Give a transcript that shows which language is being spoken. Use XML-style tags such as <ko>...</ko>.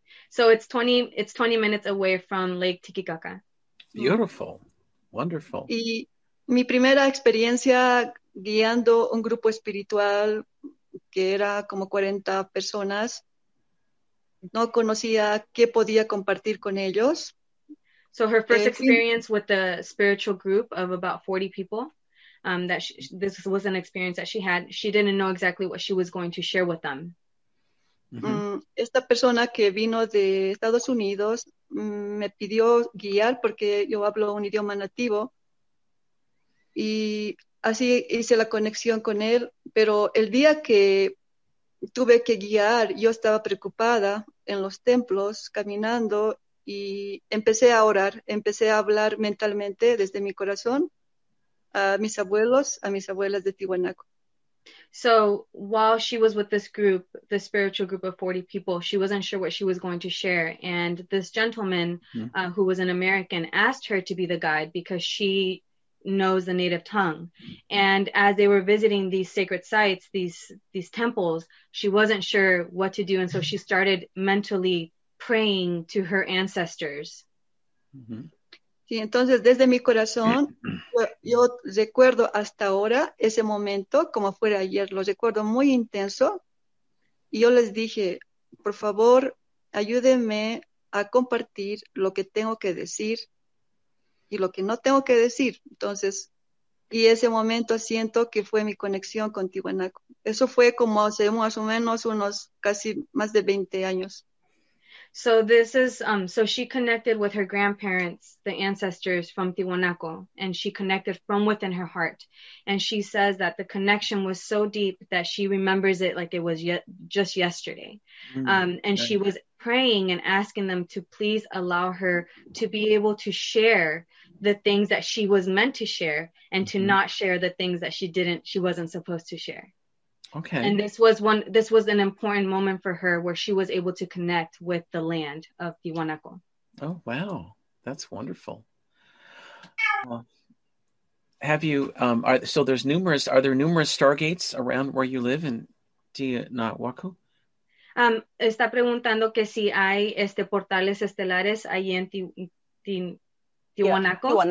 <en>So it's 20 minutes away from Lake Titicaca. Beautiful. Wonderful.</en> <es>Y mi primera experiencia guiando un grupo espiritual que era como 40 personas. No conocía qué podía compartir con ellos.</es> <en>So her first experience with the spiritual group of about 40 people, this was an experience that she had. She didn't know exactly what she was going to share with them. Mm-hmm.</en> <es>Esta persona que vino de Estados Unidos me pidió guiar porque yo hablo un idioma nativo. Y así hice la conexión con él. Pero el día que tuve que guiar, yo estaba preocupada en los templos, caminando, y empecé a orar, empecé a hablar mentalmente desde mi corazón a mis abuelos, a mis abuelas de Tiwanaku.</es> <en>So, while she was with this group, the spiritual group of 40 people, she wasn't sure what she was going to share, and this gentleman, who was an American, asked her to be the guide because she knows the native tongue. And as they were visiting these sacred sites, these temples, she wasn't sure what to do. And so she started mentally praying to her ancestors.</en> <es>Sí, entonces desde mi corazón, yo recuerdo hasta ahora ese momento, como fuera ayer, lo recuerdo muy intenso. Y yo les dije, por favor, ayúdenme a compartir lo que tengo que decir y lo que no tengo que decir. Entonces, y ese momento siento que fue mi conexión con Tiwanaku. Eso fue como hace más o menos unos casi más de 20 años.</es> <en>So this is, so she connected with her grandparents, the ancestors from Tiwanaku, and she connected from within her heart. And she says that the connection was so deep that she remembers it like it was just yesterday. And she was praying and asking them to please allow her to be able to share the things that she was meant to share and to not share the things that she wasn't supposed to share. Okay. And this was an important moment for her where she was able to connect with the land of Tiwanaku. Oh, wow. That's wonderful. Are there numerous stargates around where you live in Tiwanaku?</en> <es>Está preguntando que si hay portales estelares ahí en Tiwanaku.</es>